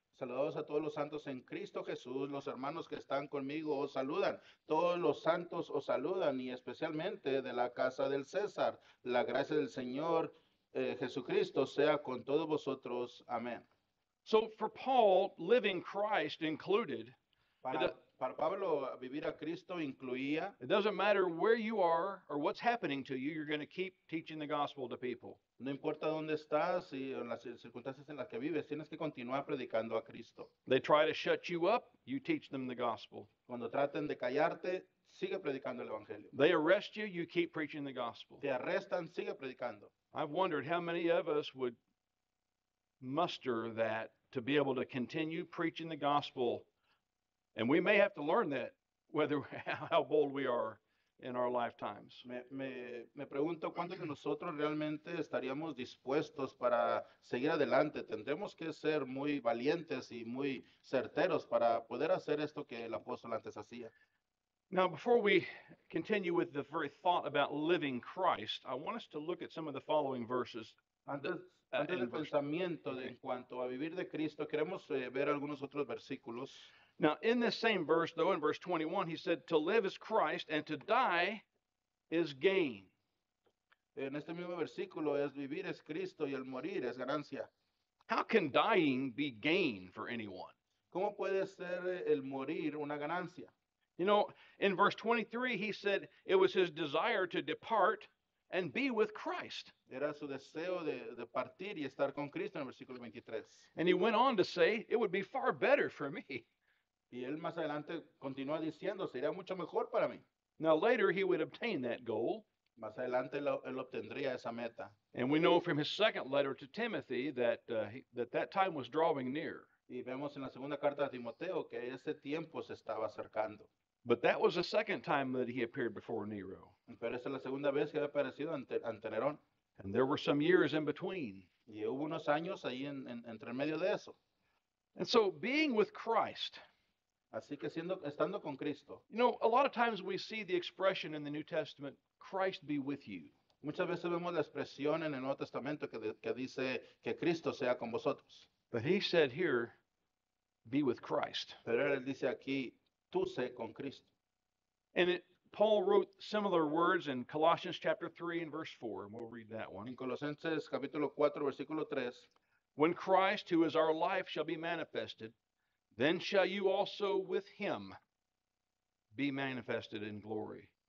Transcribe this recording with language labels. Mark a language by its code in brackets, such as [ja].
[es] Saludos a todos los santos en Cristo Jesús, los hermanos que están conmigo os saludan, todos los santos os saludan y especialmente de la casa del César, la gracia del Señor Jesucristo sea con todos vosotros, amén. [en] So for Paul, living Christ included, [es] para Pablo, vivir a Cristo incluía, [en] it doesn't matter where you are or what's happening to you, you're going to keep teaching the gospel to people. [es] No importa dónde estás y en las circunstancias en las que vives, tienes que continuar predicando a Cristo. [en] They try to shut you up, you teach them the gospel. [es] Cuando traten de callarte, sigue predicando el evangelio. [en] They arrest you, you keep preaching the gospel. [es] Te arrestan, sigue predicando. [en] I've wondered how many of us would muster that to be able to continue preaching the gospel. And we may have to learn that, how bold we are in our lifetimes. [es] Me pregunto cuántos de nosotros realmente estaríamos dispuestos para seguir adelante. Tendremos que ser muy valientes y muy certeros para poder hacer esto que el apóstol antes hacía. [en] Now, before we continue with the very thought about living Christ, I want us to look at some of the following verses. [es] Antes del pensamiento en cuanto a vivir de Cristo, queremos ver algunos otros versículos. [en] Now, in this same verse, though, in verse 21, he said, to live is Christ, and to die is gain. [es] En este mismo versículo es vivir es Cristo, y el morir es ganancia. [en] How can dying be gain for anyone? [es] ¿Cómo puede ser el morir una ganancia? [en] You know, in verse 23, he said it was his desire to depart and be with Christ. [es] Era su deseo de partir y estar con Cristo en el versículo 23. [en] And he went on to say, it would be far better for me. [es] Y él más adelante continúa diciendo, sería mucho mejor para mí. [en] Now later he would obtain that goal. [es] Más adelante él obtendría esa meta. [en] And we know from his second letter to Timothy that that time was drawing near. [es] Y vemos en la segunda carta a Timoteo que ese tiempo se estaba acercando. [en] But that was the second time that he appeared before Nero. [es] Pero esa es la segunda vez que había aparecido ante Nerón. [en] And there were some years in between. [es] Y hubo unos años ahí entre medio de eso. [en] And so being with Christ. [es] Así que estando con Cristo. [en] You know, a lot of times we see the expression in the New Testament, Christ be with you. [es] Muchas veces vemos la expresión en el Nuevo Testamento que dice que Cristo sea con vosotros. [en] But he said here, be with Christ. [es] Pero él dice aquí, tú sé con Cristo. [en] And Paul wrote similar words in Colossians chapter 3 and verse 4. And we'll read that one. [es] En Colosenses capítulo 4, versículo 3. [en] When Christ, who is our life, shall be manifested, then shall you also with him be manifested in glory.